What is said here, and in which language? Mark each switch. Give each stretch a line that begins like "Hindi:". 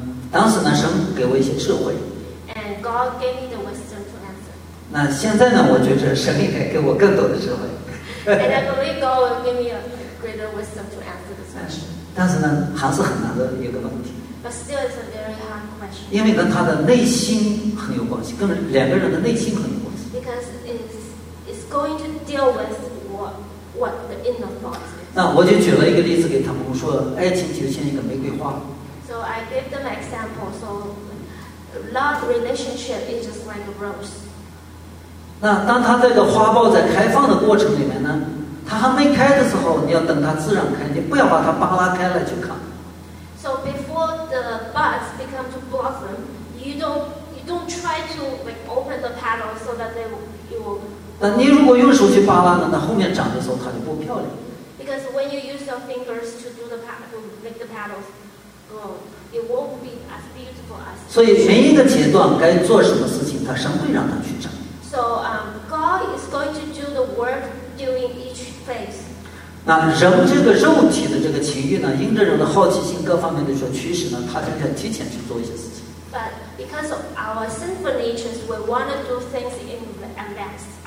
Chinese: 当时呢，神给我一些智慧。
English: And God gave me the wisdom to answer.
Chinese: 那现在呢，我觉得神应该给我更多的智慧。
English: And I believe God will give me a greater wisdom to answer this question.
Chinese: 但是呢，还是很难的一个问题。
English: But still, it's a very hard question.
Chinese: 因为跟他的内心很有关系，跟两个人的内心很有关系。
English: Because going to deal with what the inner thoughts.
Chinese: 那我就举了一个例子给他们说，爱情就像一个玫瑰花。
English: So I gave them example. So love relationship is just like a rose.
Chinese: 那当它这个花苞在开放的过程里面呢，它还没开的时候，你要等它自然开，你不要把它扒拉开了去看。
English: So before the buds become to blossom, you don't try to like open the petals so that it will.
Chinese: 那你如果用手去扒拉呢？那后面长的时候它就不漂亮。
English: Because when you use your fingers to do the to make the petals grow, it won't be as beautiful as.
Chinese: 所以每一个阶段该做什么事情，它神会让它去长。
English: So God is going to do the work during each phase.
Chinese: 那人这个肉体的这个情欲呢，因着人的好奇心各方面的说驱使呢，他就要提前去做一些事情。
English: But because of our sinful natures, we want to do things in advance.